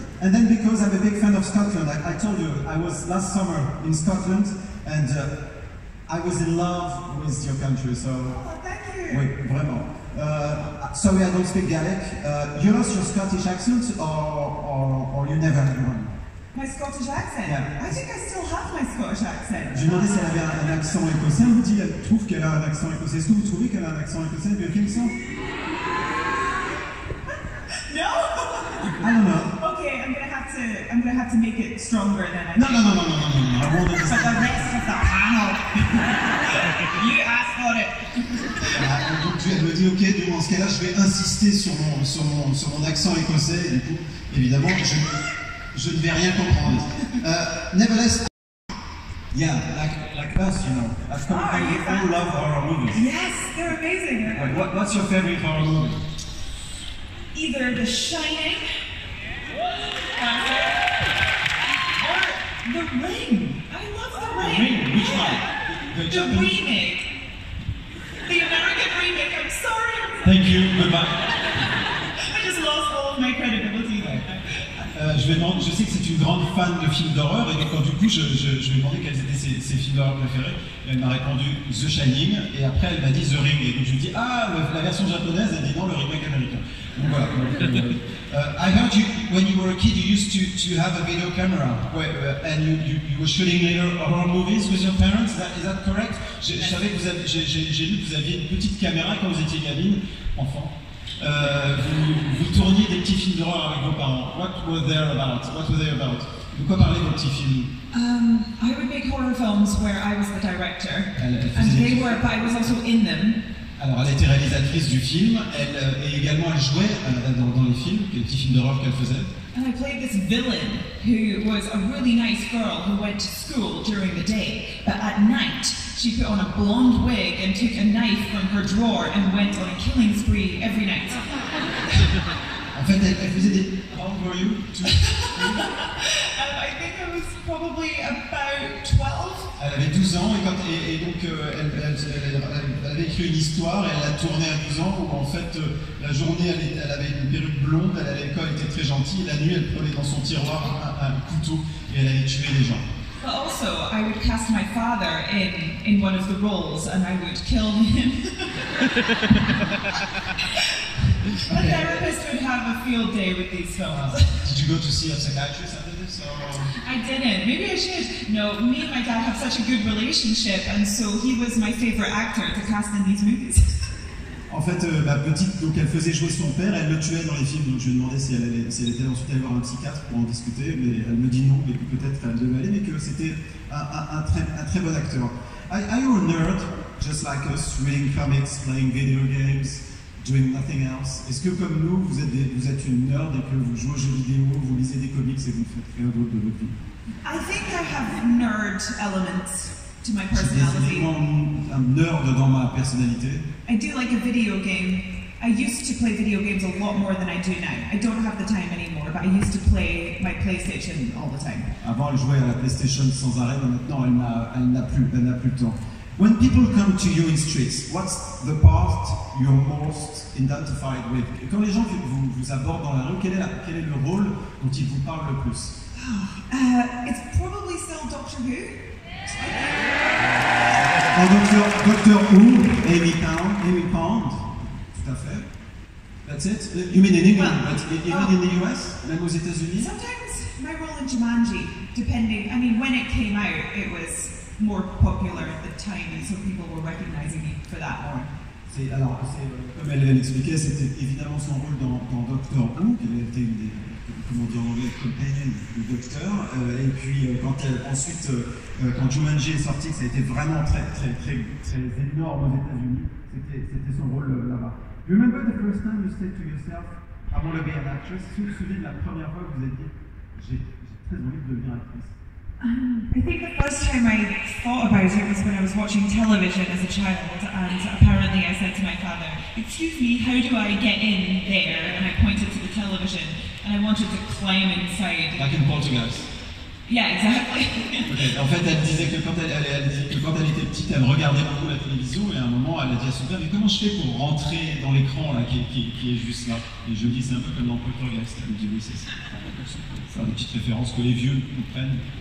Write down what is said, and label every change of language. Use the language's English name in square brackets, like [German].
[English] And then because I'm a big fan of Scotland, I told you, I was last summer in Scotland and I was in love with your country, so... Oh, thank you! [French] Oui, vraiment. [English] Sorry, I don't speak Gaelic. You lost your Scottish accent or you never had one? My Scottish accent? Yeah. I think I still have my Scottish accent. [French] Je demandais si elle avait un accent écossais. Elle vous dit, elle trouve qu'elle a un accent écossais. Est-ce que vous trouvez qu'elle a un accent écossais, Birkin? [English] No! I don't know. Okay, I'm gonna have to make it stronger than I. No. I won't understand. For the rest of the panel. You asked for it. [French] Donc tu me dis ok, donc en ce cas-là, je vais insister sur mon accent écossais. Et du coup, évidemment, je ne vais rien comprendre. [English] Nevertheless, yeah, like us, you know. I've come to love horror movies. Yes, they're amazing. What's your favorite horror movie? Either The Shining. The Ring! I love The Ring! The Ring? Which one? The remake! The American remake, I'm sorry! Thank you, goodbye! I just lost all of my credibility there. [French] Je sais que c'est une grande fan de films d'horreur et donc du coup je lui ai demandé quels étaient ses films d'horreur préférés. Elle m'a répondu The Shining et après elle m'a dit The Ring et donc je lui dis ah la version japonaise, elle dit non le remake américain. Donc voilà. [English] I heard you when you were a kid you used to have a video camera and you were shooting later horror movies with your parents. Is that correct? [French] Je savais que vous aviez, j'ai lu que vous aviez une petite caméra quand vous étiez gamine, enfant. Vous tourniez des petits films d'horreur avec vos parents. [English] What were they about? [French] De quoi parlaient vos petits films? [English] I would make horror films where I was the director. But I was also in them. [French] Alors, elle était réalisatrice du film. Elle jouait dans les films, les petits films d'horreur qu'elle faisait. [English] And I played this villain who was a really nice girl who went to school during the day, but at night. She put on a blonde wig and took a knife from her drawer and went on a killing spree every night. [French] En fait, elle faisait des... [English] How old were you? I think I was probably about 12. [French] Elle avait 12 ans et donc elle avait écrit une histoire et elle l'a tournée à 12 ans où en fait la journée elle avait une perruque blonde, elle allait à l'école, elle était très gentille, la nuit elle prenait dans son tiroir un couteau et elle allait tuer les gens. [English] But also, I would cast my father in one of the roles, and I would kill him. Okay. A therapist would have a field day with these films. Did you go to see a psychiatrist after this? I didn't. Maybe I should. No, me and my dad have such a good relationship, and so he was my favorite actor to cast in these movies. [French] En fait, ma petite, donc elle faisait jouer son père, elle le tuait dans les films, donc je lui ai demandé si elle était ensuite allée voir un psychiatre pour en discuter, mais elle me dit non, mais peut-être qu'elle devait aller, mais que c'était un très bon acteur. [English] Are you a nerd, just like us, reading comics, playing video games, doing nothing else? [French] Est-ce que comme nous, vous êtes une nerd et que vous jouez aux jeux vidéo, vous lisez des comics et vous ne faites rien d'autre de votre vie? [English] I think I have nerd elements to my personality. [French] J'ai un nerd dans ma personnalité. [English] I do like a video game. I used to play video games a lot more than I do now. I don't have the time anymore, but I used to play my PlayStation all the time. [French] Avant, elle jouait à la PlayStation sans arrêt, mais maintenant, elle n'a plus le temps. [English] When people come to you in streets, what's the part you're most identified with? [French] Quand les gens vous abordent dans la rue, quel est le rôle dont ils vous parlent le plus? [English] It's probably still Doctor Who. [French] Doctor Who, Amy Pond, tout à fait. [English] That's it. You mean in England, in the US, [French] même aux États-Unis? [English] Sometimes my role in Jumanji, depending. I mean, when it came out, it was more popular at the time, and so people were recognizing me for that more. [French] Comme elle l'expliquait, c'était évidemment son rôle dans Doctor Who, qui était une des, comment dire en anglais, être Ben, le docteur. Et puis quand elle, ensuite, quand Jumanji est sorti, ça a été vraiment très très très très énorme aux États-Unis. C'était son rôle là-bas. [English] You remember the first time you said to yourself, I want to be an actress? [French] Vous vous souvenez de la première fois que vous avez dit, j'ai très envie de devenir actrice? [English] I think the first time I thought about it was when I was watching television as a child, and apparently I said to my father, excuse me, how do I get in there? And I pointed to the television, and I wanted to climb inside. Like in Poltergeist. Yeah, exactly. [French] Okay. En fait, elle disait que quand elle était petite, elle regardait beaucoup la télévision, et à un moment, elle a dit à son père, mais comment je fais pour rentrer dans l'écran là, qui est juste là? Et je me dis, c'est un peu comme dans Poltergeist. Elle me dit, oui, c'est ça. C'est une petite référence que les vieux comprennent.